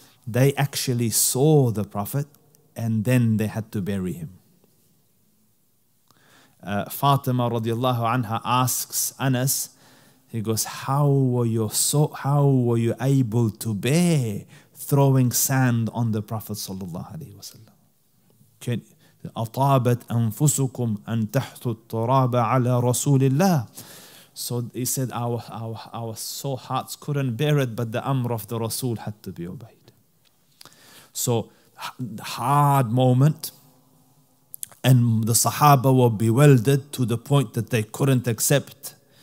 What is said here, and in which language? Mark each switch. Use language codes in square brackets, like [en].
[en] They actually saw the Prophet, and then they had to bury him. Fatima radiallahu anha asks Anas, he goes, how were you able to bear throwing sand on the Prophet sallallahu alaihi wasallam? [ar] أطابت أنفسكم أن تحثوا التراب على رسول الله. [en] So he said, our soul hearts couldn't bear it, but the amr of the Rasul had to be obeyed. So hard moment, and the Sahaba were bewildered to the point that they couldn't accept.